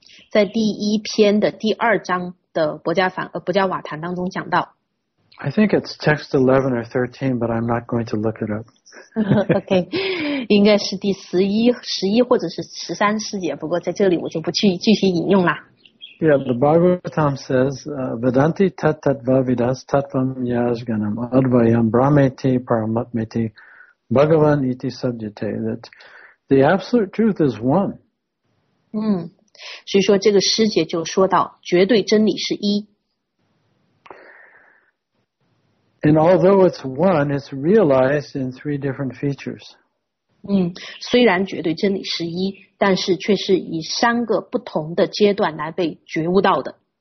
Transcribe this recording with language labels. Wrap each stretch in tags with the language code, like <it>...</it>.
<zh>在第一篇的第二章的博加瓦坦当中讲到。</zh> <en>I think it's text 11 or 13, but I'm not going to look it up.</en> <zh>Okay, 应该是第11或者是13世界，不过在这里我就不去继续引用了。</zh> <en>Yeah, the Bhagavatam says,</en> <sa>Vedanti tat tattva vidas tattvam yajganam advayam brahmeti paramatmeti bhagavan iti sabjate,</sa> <en>that the absolute truth is one.</en> <zh>所以说这个师姐就说到绝对真理是一。</zh> <en>And although it's one, it's realized in three different features.</en> <zh>虽然绝对真理是一，但是却是以三个不同的阶段来被觉悟到的。</zh>